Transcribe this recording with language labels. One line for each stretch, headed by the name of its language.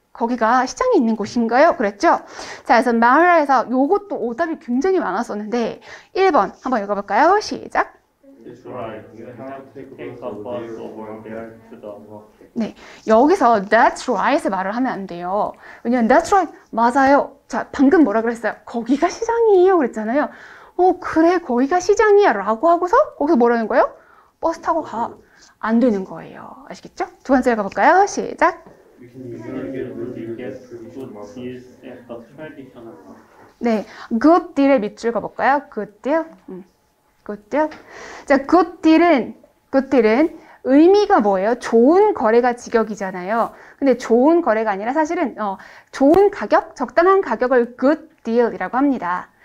Korean: 거기가 시장이 있는 곳인가요? 그랬죠? 자, 그래서 마을에서 요것도 오답이 굉장히 많았었는데, 1번 한번 읽어볼까요? 시작.
English: It's right. You have to take a bus over there to the market.
Korean: 네. 여기서 that's right을 말을 하면 안 돼요. 왜냐면
English: that's right.
Korean: 맞아요. 자, 방금 뭐라 그랬어요? 거기가 시장이에요. 그랬잖아요. 그래. 거기가 시장이야. 라고 하고서 거기서 뭐라는 거예요? 버스 타고 가. 안 되는 거예요. 아시겠죠? 두 번째 읽어볼까요? 시작.
English: You can usually get pretty good deals at the traditional market.
Korean: 네.
English: Good deal의
Korean: 밑줄 읽어볼까요?
English: Good deal. Good deal.
Korean: 자, good deal은 의미가 뭐예요? 좋은 거래가 직역이잖아요. 근데 좋은 거래가 아니라 사실은 좋은 가격, 적당한 가격을 good deal이라고 합니다.